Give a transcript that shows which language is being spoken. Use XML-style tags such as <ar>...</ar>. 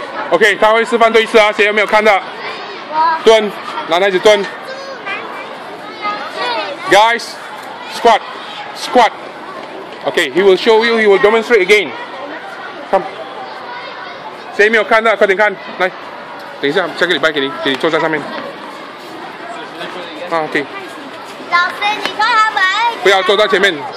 <zh>OK, 他会示范对一次啊,谁有没有看到?蹲,男孩子蹲。</zh> <en>Guys, squat, squat. OK, he will show you, he will demonstrate again. Come.</en> <zh>谁没有看到,快点看,来。等一下,下个礼拜给你坐在上面。啊, OK. 老师,你坐他们。不要坐到前面。</zh>